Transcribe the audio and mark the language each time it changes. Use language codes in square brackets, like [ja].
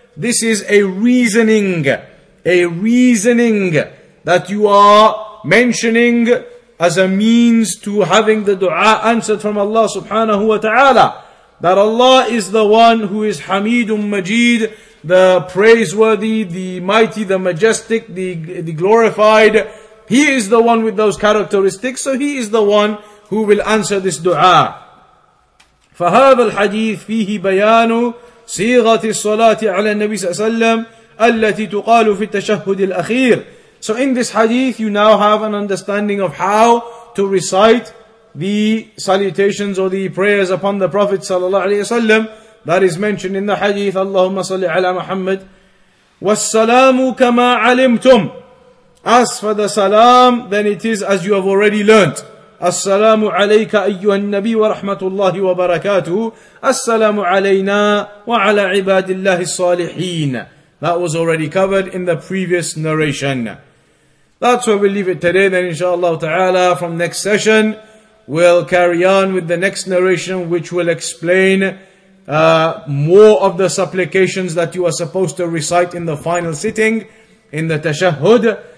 [en] This is a reasoning that you are mentioning as a means to having the dua answered from Allah subhanahu wa ta'ala. That Allah is the one who is Hamidun Majid, the praiseworthy, the mighty, the majestic, the glorified. He is the one with those characteristics, so he is the one who will answer this dua. [ar] فهذا الحديث فيه بيان صيغة الصلاة على النبي صلى الله عليه وسلم التي تقال في التشهد الأخير. [en] So in this hadith, you now have an understanding of how to recite the salutations or the prayers upon the Prophet sallallahu alaihi wasallam that is mentioned in the hadith. [ar] Allahumma salli ala Muhammad. والسلام كما علمتم. [en] As for the salam, then it is as you have already learnt. [ar] السلام عليك أيها النبي ورحمة الله وبركاته. السلام علينا وعلى عباد الله الصالحين. [en] That was already covered in the previous narration. That's where we leave it today. Then, inshallah ta'ala, from next session, we'll carry on with the next narration, which will explain more of the supplications that you are supposed to recite in the final sitting, in the tashahhud.